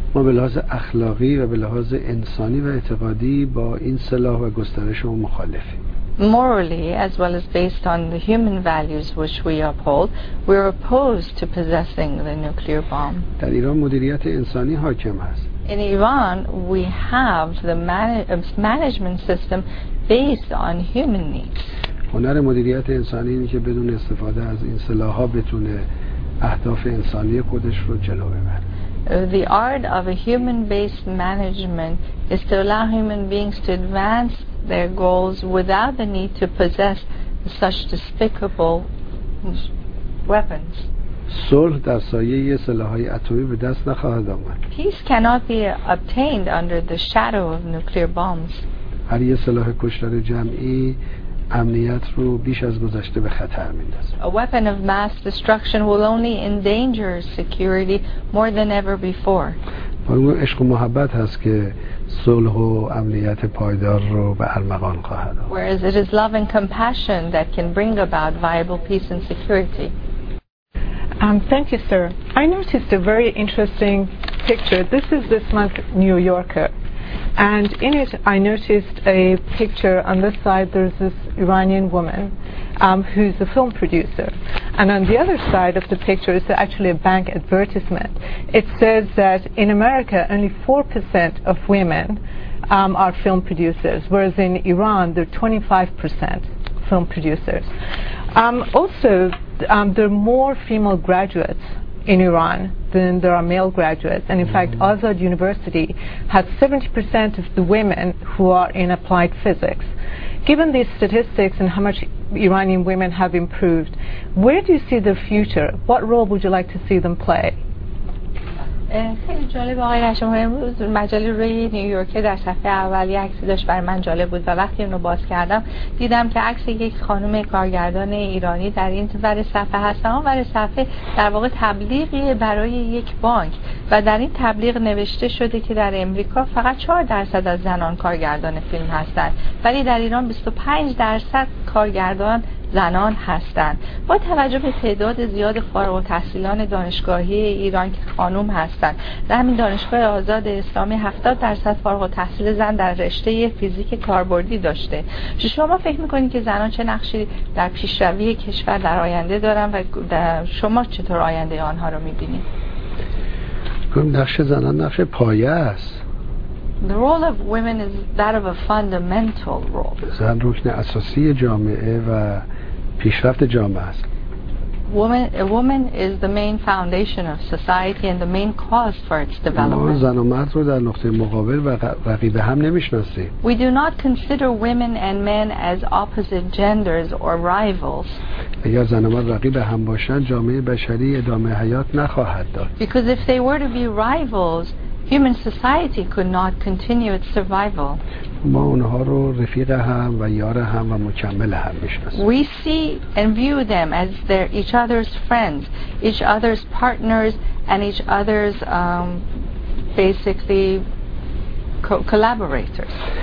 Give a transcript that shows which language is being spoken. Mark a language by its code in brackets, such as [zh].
[fa] ما به لحاظ اخلاقی و به لحاظ انسانی و اعتقادی با این سلاح و گسترش او مخالفیم. [en] Morally, as well as based on the human values which we uphold, we are opposed to possessing the nuclear bomb. [fa] در ایران مدیریت انسانی حاکم است. [en] In Iran, we have the management system based on human needs. [fa] هنر مدیریت انسانی اینه که بدون استفاده از این سلاح‌ها بتونه اهداف انسانی خودش رو جلو ببره. [en] The art of a human-based management is to allow human beings to advance their goals without the need to possess such despicable weapons. [fa] صلح در سایه سلاح‌های اتمی به دست نخواهد آمد. [en] Peace cannot be obtained under the shadow of nuclear bombs. [fa] هر یک سلاح کشتار جمعی امنیت رو بیش از گذشته به خطر میندازه. [en] A weapon of mass destruction will only endanger security more than ever before. [fa] فرمان عشق و محبت هست که صلح و امنیت پایدار رو به ارمغان خواهد آورد. [en] Whereas it is love and compassion that can bring about viable peace and security. Thank you, sir. I noticed a very interesting picture. This is this month's New Yorker. And in it, I noticed a picture on this side. There's this Iranian woman who's a film producer. And on the other side of the picture is actually a bank advertisement. It says that in America, only 4% of women are film producers, whereas in Iran, they're 25% film producers. Also, there are more female graduates in Iran than there are male graduates. And in fact, Azad University has 70% of the women who are in applied physics. Given these statistics and how much Iranian women have improved, where do you see their future? What role would you like to see them play? [fa] خیلی جالب آقای رشمهای امروز مجله روی نیویورکه در صفحه اولی عکسی داشت برای من جالب بود و وقتی اون رو باز کردم دیدم که عکس یک خانم کارگردان ایرانی در این ور صفحه هست و اون ور صفحه در واقع تبلیغی برای یک بانک و در این تبلیغ نوشته شده که در امریکا فقط 4% از زنان کارگردان فیلم هستند ولی در ایران 25% کارگردان زنان هستند. با توجه به تعداد زیاد فارغ‌التحصیلان دانشگاهی ایران که خانم هستند، در همین دانشگاه آزاد اسلامی 70% فارغ‌التحصیل زن در رشته فیزیک کاربردی داشته. شما فکر می‌کنید که زنان چه نقشی در پیشروی کشور در آینده دارن و شما چطور آینده آنها رو می‌بینید؟ نقش زنان نقش پایه است. [en] The role of women is that of a fundamental role. [fa] زن رکن اساسی جامعه و پیشرفت جامعه است. [en] A woman is the main foundation of society and the main cause for its development. [fa] ما زن و مرد رو در نقطه مقابل و رقیب هم نمی‌شناسیم. [en] We do not consider women and men as opposite genders or rivals. [fa] اگر زن و مرد رقیب هم باشند جامعه بشری ادامه حیات نخواهد داشت. [en] Because if they were to be rivals, human society could not continue its survival. [fa] ما اونها رو رفیق هم و یار هم و مکمل هم می‌شناسیم. [en] We see and view them as their each other's friends, each other's partners, and each other's basically collaborators.